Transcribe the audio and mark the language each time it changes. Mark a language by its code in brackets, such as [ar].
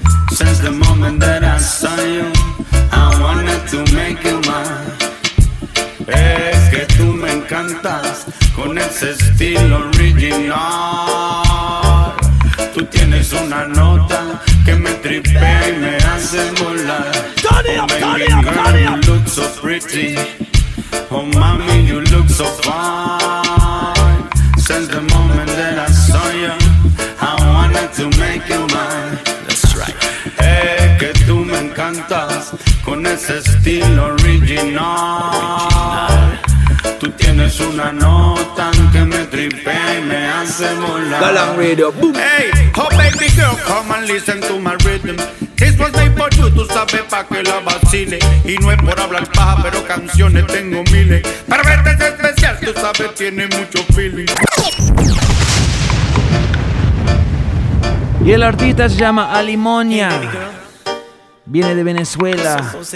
[en] Since the moment that I saw you, I wanted to make you mine. [es] Es que tú me encantas con ese estilo original. Tú tienes una nota que me tripea y me hace volar. [en] So pretty, oh mommy, you look so fine. Since the moment that I saw you, I wanted to make you mine. That's right. [es] Hey, que tú me encantas con ese estilo original. Tú tienes una nota que me tripea y me hace volar. Galán Radio, boom. [en] Hey, oh baby girl, come and listen to my rhythm. This was made for you, [es] tú sabes pa' que la vacile. Y no es por hablar paja, pero canciones tengo miles. Pero este es especial, tú sabes, tiene mucho feeling. Y el artista se llama Alimonia. Viene de Venezuela.